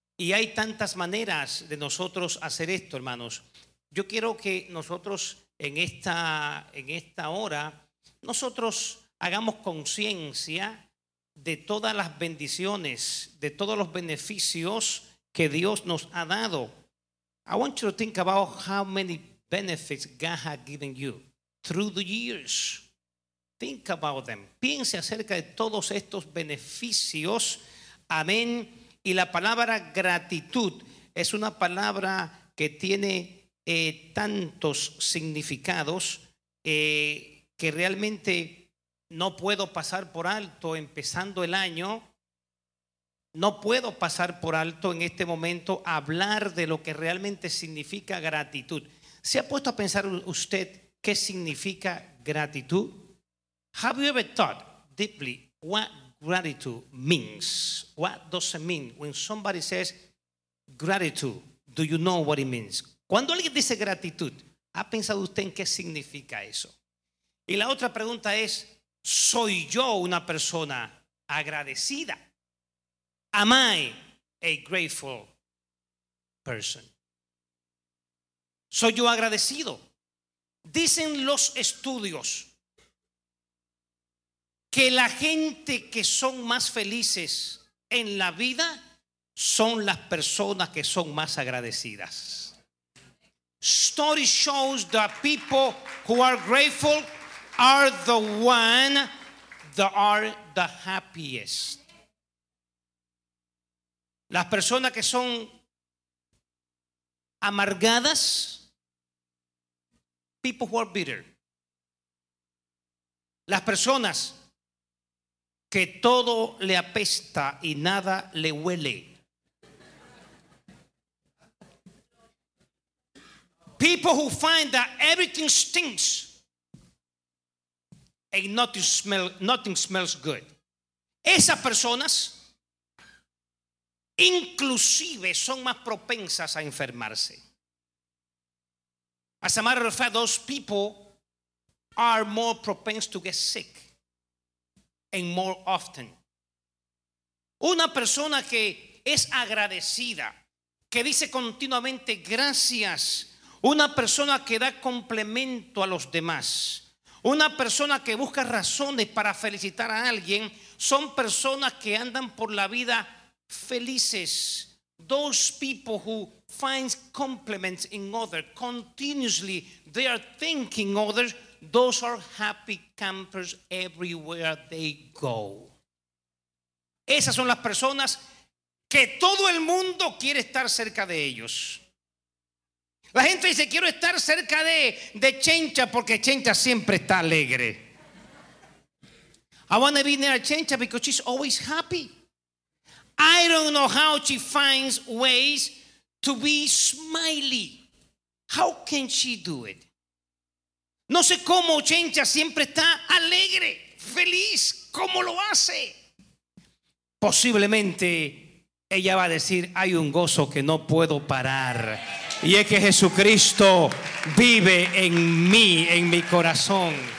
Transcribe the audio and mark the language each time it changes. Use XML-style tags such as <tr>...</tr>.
<es>Y hay tantas maneras de nosotros hacer esto, hermanos. Yo quiero que nosotros en esta hora, nosotros hagamos conciencia de todas las bendiciones, de todos los beneficios que Dios nos ha dado.</es> <en>I want you to think about how many benefits God has given you through the years. Think about them.</en> <es>Piense acerca de todos estos beneficios. Amén. Y la palabra gratitud es una palabra que tiene tantos significados que realmente no puedo pasar por alto empezando el año. No puedo pasar por alto en este momento hablar de lo que realmente significa gratitud. ¿Se ha puesto a pensar usted qué significa gratitud?</es> <en>Have you ever thought deeply what gratitude means? What does it mean when somebody says gratitude? Do you know what it means?</en> <es>Cuando alguien dice gratitud, ¿ha pensado usted en qué significa eso? Y la otra pregunta es, ¿soy yo una persona agradecida?</es> <en>Am I a grateful person?</en> <es>¿Soy yo agradecido? Dicen los estudios que la gente que son más felices en la vida son las personas que son más agradecidas.</es> <en>Study shows that people who are grateful are the one that are the happiest.</en> <es>Las personas que son amargadas,</es> <en>people who are bitter.</en> <es>Las personas que todo le apesta y nada le huele.</es> <en>People who find that everything stinks and nothing smells good.</en> <es>Esas personas inclusive son más propensas a enfermarse.</es> <en>As a matter of fact, those people are more propense to get sick and more often.</en> <es>Una persona que es agradecida, que dice continuamente gracias. Una persona que da complemento a los demás. Una persona que busca razones para felicitar a alguien. Son personas que andan por la vida felices.</es> <en>Those people who find compliments in others continuously, they are thinking others, those are happy campers everywhere they go.</en> <es>Esas son las personas que todo el mundo quiere estar cerca de ellos. La gente dice, quiero estar cerca de Chencha porque Chencha siempre está alegre.</es> <en>I want to be near Chencha because she's always happy. I don't know how she finds ways to be smiley. How can she do it?</en> <es>No sé cómo Chencha siempre está alegre, feliz. ¿Cómo lo hace? Posiblemente ella va a decir, hay un gozo que no puedo parar. Y es que Jesucristo vive en mí, en mi corazón.</es>